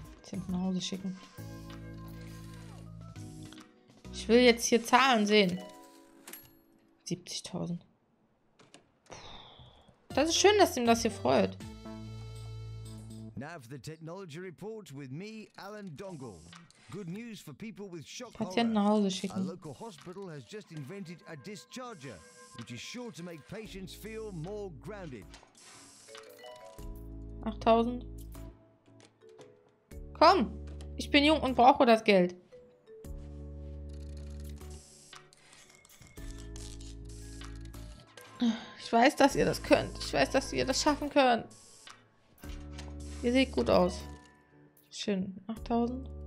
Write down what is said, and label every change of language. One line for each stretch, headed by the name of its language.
German: Jetzt nach Hause schicken. Ich will jetzt hier Zahlen sehen. 70.000. Das ist schön, dass ihm das hier freut.
English: Nav, the technology report with me, Alan Dongle. Good news for people with shock horror.
German: Patienten nach Hause schicken.
English: A local hospital has just invented a discharger, which is sure to make patients feel more grounded. 8.000.
German: Komm, ich bin jung und brauche das Geld. Ich weiß, dass ihr das könnt. Ich weiß, dass ihr das schaffen könnt. Ihr seht gut aus. Schön. 8.000.